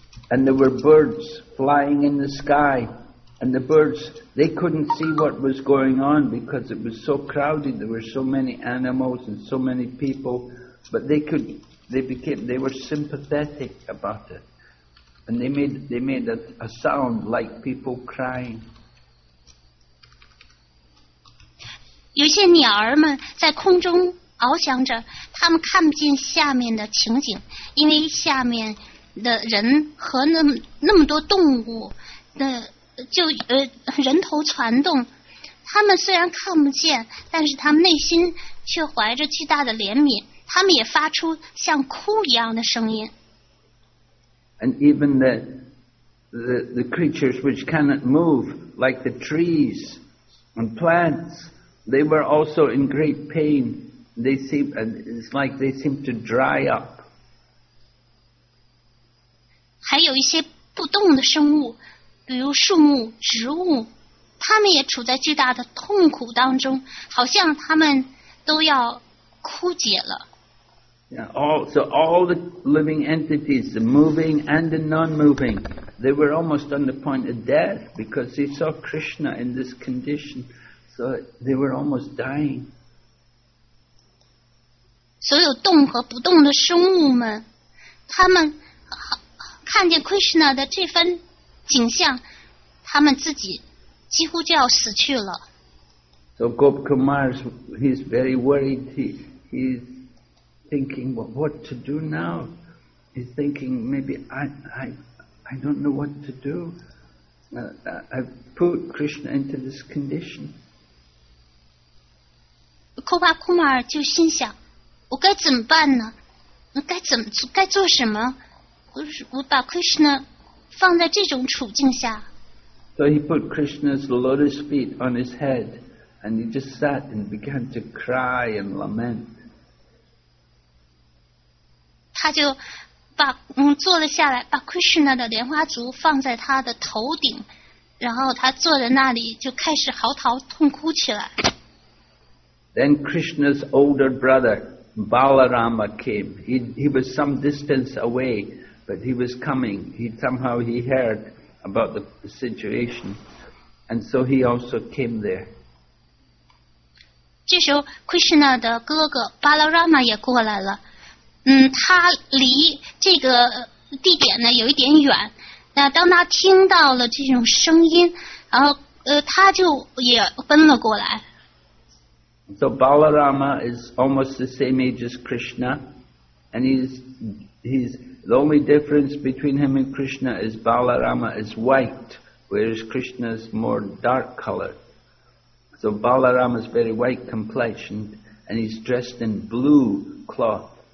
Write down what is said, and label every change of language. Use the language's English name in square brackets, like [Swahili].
[English] And there were birds flying in the sky, and the birds, they couldn't see what was going on because it was so crowded. There were so many animals and so many people, but they were sympathetic about it, and they made a sound like people crying. [Chinese] 有些鸟儿们在空中翱翔着，他们看不见下面的情景，因为下面的人和那么多动物的人头攒动，他们虽然看不见，但是他们内心却怀着巨大的怜悯，他们也发出像哭一样的声音。 [English] And even the creatures which cannot move, like the trees and plants, they were also in great pain. It's like they seem to dry up. [Chinese] 还有一些不动的生物，比如树木、植物，它们也处在巨大的痛苦当中，好像它们都要枯竭了。 [English] Yeah, all the living entities, the moving and the non-moving, they were almost on the point of death because they saw Krishna in this condition, so they were almost dying. [Chinese] 所有动和不动的生物们，他们看见 Krishna 的这番景象，他们自己几乎就要死去了。 [English] So Gop Kumar, he's very worried. He's thinking what to do now. He's thinking maybe I don't know what to do. I've put Krishna into this condition. [Chinese] Gop Kumar 就心想。我该怎么办呢？该做什么？我把 Krishna 放在这种处境下。 [English] So he put Krishna's lotus feet on his head, And he just sat and began to cry and lament. [Chinese] 他就把坐了下来，把 Krishna 的莲花烛放在他的头顶，然后他坐在那里就开始嚎啕痛哭起来。 [English] Then Krishna's older brother Balarama came. He was some distance away, but he was coming. He heard about the situation, and so he also came there. [Chinese] 这时候 Krishna 的哥哥 Balarama 也过来了。他离这个地点呢有一点远，那当他听到了这种声音，然后他就也奔了过来。 [English] So Balarama is almost the same age as Krishna, and he's the only difference between him and Krishna is Balarama is white, whereas Krishna is more dark colored. So Balarama is very white complexioned, and he's dressed in blue cloth.